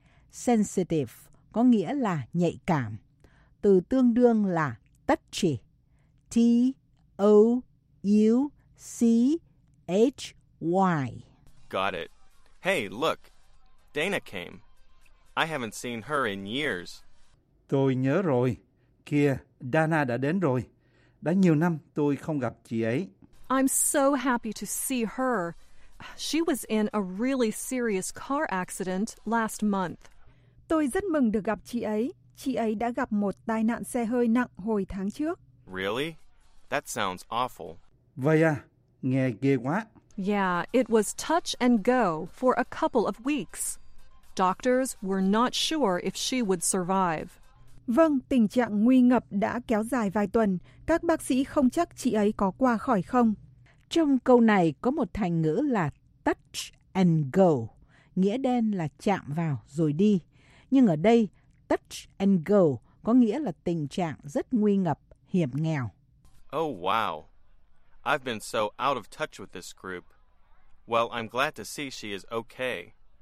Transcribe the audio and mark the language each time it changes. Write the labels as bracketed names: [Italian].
[Vietnamese] Sensitive có nghĩa là nhạy cảm. Từ tương đương là touchy, T-O-U-C-H-Y. [English] Got it. Hey, look, Dana came. I haven't seen her in years. [Vietnamese] Tôi nhớ rồi. Kìa, Dana đã đến rồi. Đã nhiều năm tôi không gặp chị ấy. [English] I'm so happy to see her. She was in a really serious car accident last month. [Vietnamese] Tôi rất mừng được gặp chị ấy. Chị ấy đã gặp một tai nạn xe hơi nặng hồi tháng trước. [English] Really? That sounds awful. [Vietnamese] Vậy à, nghe ghê quá. [English] Yeah, it was touch and go for a couple of weeks. Doctors were not sure if she would survive. [Vietnamese] Vâng, tình trạng nguy ngập đã kéo dài vài tuần. Các bác sĩ không chắc chị ấy có qua khỏi không. Trong câu này có một thành ngữ là touch and go, nghĩa đen là chạm vào rồi đi. Nhưng ở đây, touch and go có nghĩa là tình trạng rất nguy ngập, hiểm nghèo. [English] Oh wow, I've been so out of touch with this group. Well, I'm glad to see she is okay.